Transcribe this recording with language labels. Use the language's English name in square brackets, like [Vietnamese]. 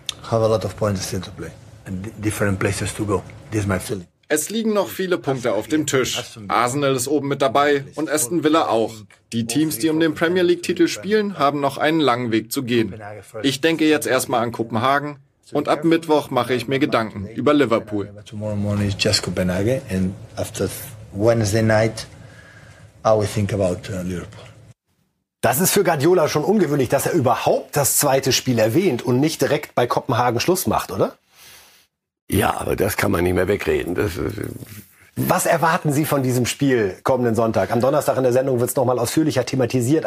[English] Have a lot of points still to play and different places to go. This is my feeling. [German] Es liegen noch viele Punkte auf dem Tisch. Arsenal ist oben mit dabei und Aston Villa auch. Die Teams, die um den Premier League-Titel spielen, haben noch einen langen Weg zu gehen. Ich denke jetzt erstmal an Kopenhagen. Und ab Mittwoch mache ich mir Gedanken über Liverpool. [English] Tomorrow morning is just Copenhagen, and after Wednesday night, I will think about Liverpool. [German] Das ist für Guardiola schon ungewöhnlich, dass er überhaupt das zweite Spiel erwähnt und nicht direkt bei Kopenhagen Schluss macht, oder? Ja, aber das kann man nicht mehr wegreden. Was erwarten Sie von diesem Spiel kommenden Sonntag? Am Donnerstag in der Sendung wird es nochmal ausführlicher thematisiert.